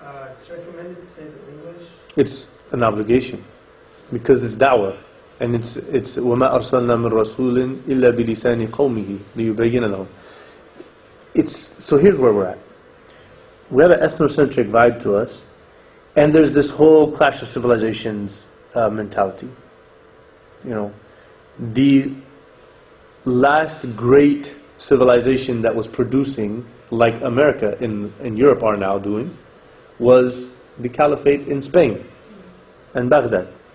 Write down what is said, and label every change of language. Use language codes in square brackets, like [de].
[en] It's recommended to say it in English? It's an obligation because it's da'wah. And it's [ar] وَمَا أَرْسَلْنَا مِنْ رَسُولٍ إِلَّا بِلِسَانِ قَوْمِهِ لِيُبَيِّنَ لَهُمْ. [en] It's, so here's where we're at. We have an ethnocentric vibe to us, and there's this whole clash of civilizations mentality. You know, the last great civilization that was producing, like America and Europe are now doing, was the Caliphate in Spain and Baghdad.